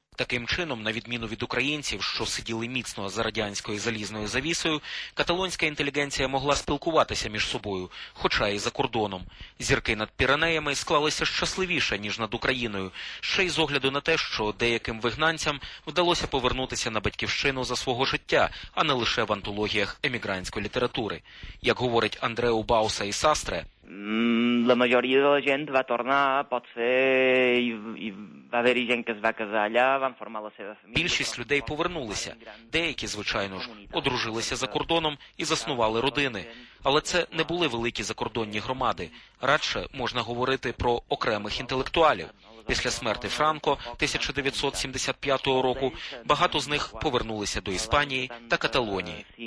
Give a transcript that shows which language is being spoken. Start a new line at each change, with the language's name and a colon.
Ukrainian: Таким чином, на відміну від українців, що сиділи міцно за радянською залізною завісою, каталонська інтелігенція могла спілкуватися між собою, хоча і за кордоном. Зірки над Піренеями склалися щасливіше, ніж над Україною, ще й з огляду на те, що деяким вигнанцям вдалося повернутися на батьківщину за свого життя, а не лише в антологіях емігрантської літератури. Як говорить Андреу Бауса і Састре,
Catalan: La majoria de la gent va tornar, potser, i va haver-hi gent que es va casar allà, van formar la seva família.
Ukrainian: Більшість людей повернулися. Деякі, звичайно ж, одружилися за кордоном і заснували родини. Але це не були великі закордонні громади. Радше можна говорити про окремих інтелектуалів. Після смерти Франко 1975 року багато з них повернулися до Іспанії та Каталонії.